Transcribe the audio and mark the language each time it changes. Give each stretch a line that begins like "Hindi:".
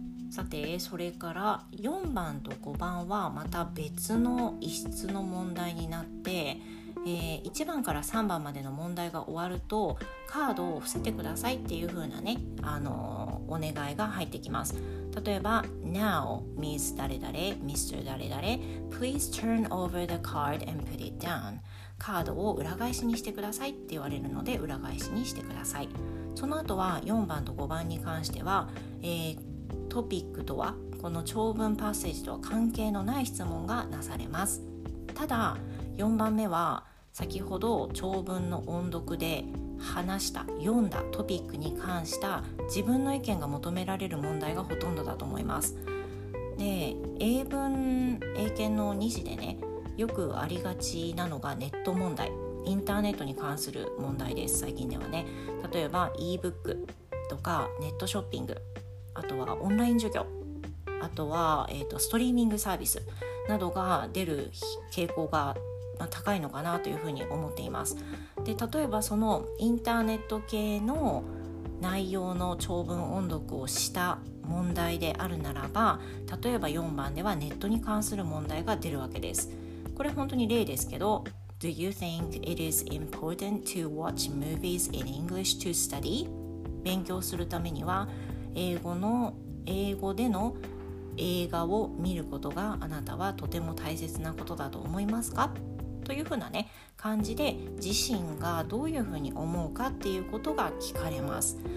Japanese: さてそれから4番と5番はまた別の異質の問題になって、1番から3番までの問題が終わるとカードを伏せてくださいっていう風なね、お願いが入ってきます。例えば
English: Now, Ms. 誰々 Mr. 誰々 Please turn over the card and put it down.
Japanese: カードを裏返しにしてくださいって言われるので裏返しにしてください。その後は4番と5番に関してはトピックとはこの長文パッセージとは関係のない質問がなされます。ただ4番目は先ほど長文の音読で話した読んだトピックに関した自分の意見が求められる問題がほとんどだと思います。で英文英検の2次でねよくありがちなのがネット問題、インターネットに関する問題です。最近ではね例えば e-book とかネットショッピング、あとはオンライン授業、あとは、ストリーミングサービスなどが出る傾向が、まあ、高いのかなというふうに思っています。で例えばそのインターネット系の内容の長文音読をした問題であるならば、例えば4番ではネットに関する問題が出るわけです。
English: これ本当に例ですけど Do you think it is important to watch movies in English to study?
Japanese: 勉強するためには英語での映画を見ることがあなたはとても大切なことだと思いますか? というふうなね感じで自身がどういうふうに思うかっていうことが聞かれます。